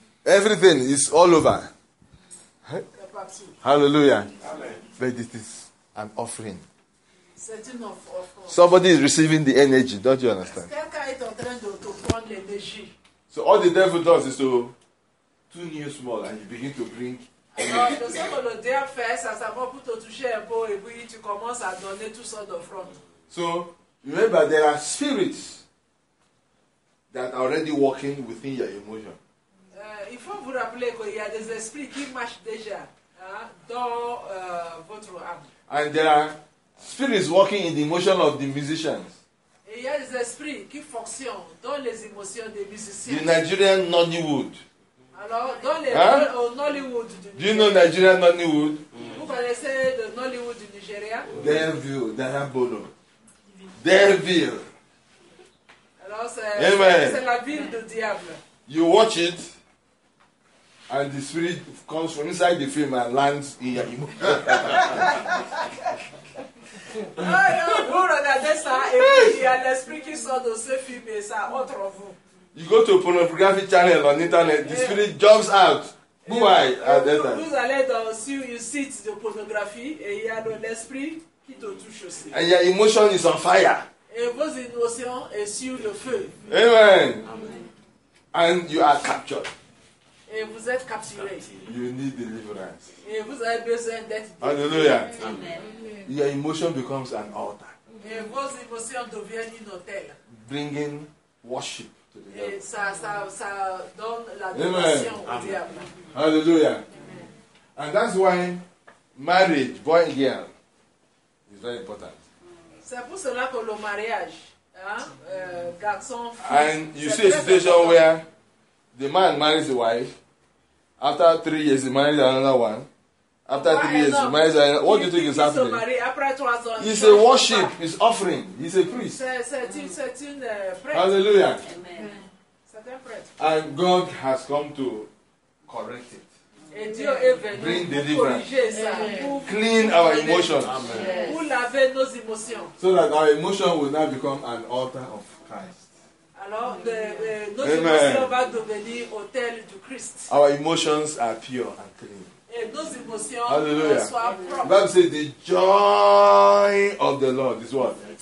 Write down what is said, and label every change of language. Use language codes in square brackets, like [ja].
[en] Everything is all over. Hallelujah. Amen. But it is an offering. [fr] C'est une offre. [en] Somebody is receiving the energy. Don't you understand? [fr] Quelqu'un est en train de prendre l'énergie. [en] So all the devil does is to tune you small and you begin to bring. [fr] Alors, le diable fait, ça s'avance pour te toucher un peu et puis tu commences à donner toutes sortes d'offrandes. [en] So, remember, there are spirits that are already working within your emotion. [fr] Il faut vous rappeler qu'il y a des esprits qui marchent déjà dans votre âme. [en] And there are spirits working in the emotion of the musicians. [fr] Et il y a des esprits qui fonctionnent dans les émotions des musiciens. [en] The Nigerian Nollywood. [fr] Alors, dans les Nollywood du Nigeria. [en] Do you know Nigerian Nollywood? [fr] Mm. Vous connaissez le Nollywood du Nigeria? [en] Devil, Darabolo. Devil. [fr] Alors, c'est la ville du diable. [en] You watch it. And the spirit comes from inside the film and lands in your emotion. [fr] Oh, no, vous regardez ça, et puis il y a l'esprit qui sort de ce film et ça entre vous. [en] You go to a pornography channel on internet, the spirit jumps out. Who am I? [fr] Vous allez dans un site de pornographie et il y a l'esprit qui te touche aussi. [en] And your emotion is on fire. [fr] Et vos émotions sont sur le feu. [en] Amen. Amen. and you are captured. [fr] Et vous êtes capturé. [en] You need deliverance. [fr] Et vous avez besoin d'être [en] délivré. Hallelujah. Amen. Your emotion becomes an altar. [fr] Et vos émotions deviennent une autel. [en] Bringing worship to the devil. [fr] Et ça donne l'adoration au diable. [en] Hallelujah. Amen. And that's why marriage, boy and girl, is very important. [fr] C'est pour cela que le mariage, garçon, fils, [en] and you see a situation where the man marries the wife. After 3 years, he marries another one. After 3 years, he marries another one. What do you think is happening? He's a worship, he's offering. He's a priest. Hallelujah. Amen. And God has come to correct it. Amen. Bring deliverance. Amen. Clean our emotions. Amen. Yes. So that our emotion will now become an altar of Christ. [fr] Alors, notre émotion va devenir autel du Christ. [en] Our emotions are pure and clean. [fr] Et nos émotions soient propres. The [en] Bible says the joy of the Lord is what?